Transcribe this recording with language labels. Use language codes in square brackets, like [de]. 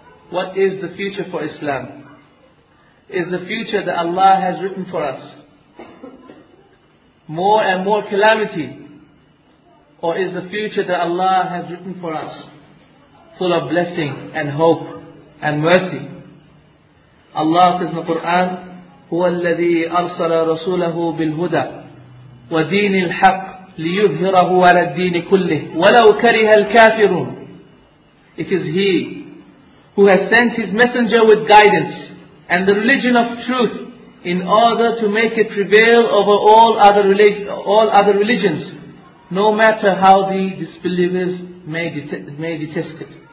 [en] What is the future for Islam? Is the future that Allah has written for us more and more calamity? Or is the future that Allah has written for us full of blessing and hope and mercy. [ar] Allah says in the Quran, هُوَ الَّذِي أَرْسَلَ رَسُولَهُ بِالْهُدَى وَدِينِ الْحَقِّ لِيُظْهِرَهُ عَلَى الدِّينِ كُلِّهِ وَلَوْ كَرِهَ الْكَافِرُونَ. [en] It is He who has sent His Messenger with guidance and the religion of truth in order to make it prevail over all other religions, no matter how the disbelievers may detest it.